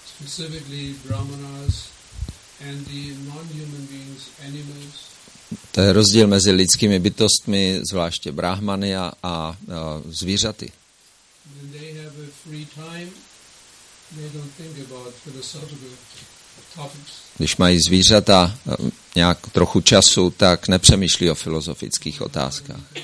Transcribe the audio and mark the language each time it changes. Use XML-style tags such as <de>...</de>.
<en>specifically brahmanas and the non-human beings, animals.</en> <cs>To je rozdíl mezi lidskými bytostmi, zvláště brahmany a zvířaty.</cs> <en>When they have a free time, they don't think about philosophical topics.</en> <cs>Když mají zvířata nějak trochu času, tak nepřemýšlí o filozofických otázkách.</cs>